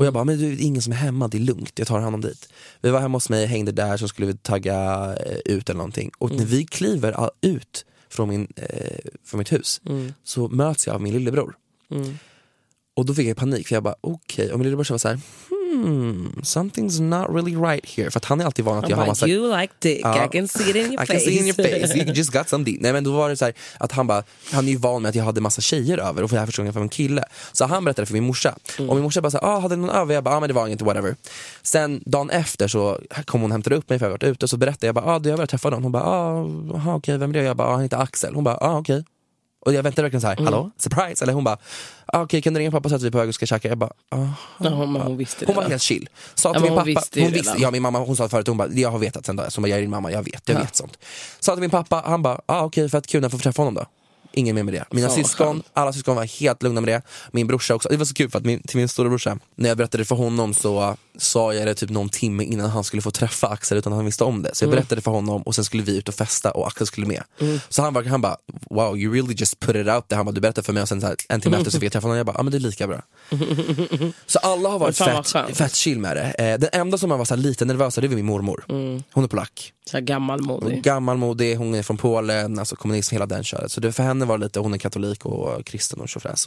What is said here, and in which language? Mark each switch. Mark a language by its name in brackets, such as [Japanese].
[Swedish] Och jag bara, men du, ingen som är hemma, det är lugnt, jag tar honom dit. Vi var hemma hos mig, hängde där, så skulle vi tagga ut eller någonting. Och när vi kliver ut från mitt hus, så möts jag av min lillebror. Mm. Och då fick jag panik, för jag bara, okej. Och min lillebror var så här, [English] something's not really right here. [Swedish] För att han är alltid van att jag har massa, [English] you like dick, I can see it in your face. I can see it in your face, you just got some dick. [Swedish] Nej, men då var det såhär att han bara, han är ju van med att jag hade massa tjejer över, och för jag förstod jag för en kille. Så han berättade för min morsa. Och min morsa bara såhär, hade någon över? Jag bara, men det var inget, whatever. Sen dagen efter så kom hon och hämtade upp mig, för jag varit ute. Så berättade jag bara, du, jag vill träffa någon. Hon bara, okej, vem är det? Jag bara, han heter Axel. Hon bara, okej. Och jag väntade verkligen så här, hallå, surprise. Eller hon bara, okej, kan du ringa pappa så att vi är på väg och ska käka? Jag bara, hon visste det. Hon var helt chill. Sa till min pappa, hon visste, ja, min mamma, hon sa förut, hon bara, jag har vetat sen då. Så hon bara, jag är din mamma, jag vet sånt. Sa till min pappa, han bara, okej, för att kunna få träffa honom då. Ingen mer med det. Mina syskon, alla syskon var helt lugna med det. Min brorsa också. Det var så kul, för att till min stora brorsa, när jag berättade för honom, så sa jag det typ någon timme innan han skulle få träffa Axel, utan han visste om det. Så jag berättade för honom, och sen skulle vi ut och festa, och Axel skulle med. Så han bara, [English] wow, you really just put it out there. [Swedish] Han bara, du berättade för mig, och sen så här, en timme efter så fick jag träffa honom. Jag bara, men det är lika bra. Så alla har varit fett chill med det. Den enda som man var så lite nervös, det var min mormor. Hon är polack. Så gammalmodig. Hon är från Polen, alltså kommunism, hela den köret. Så det för henne var lite, hon är katolik och kristen och chaufräs.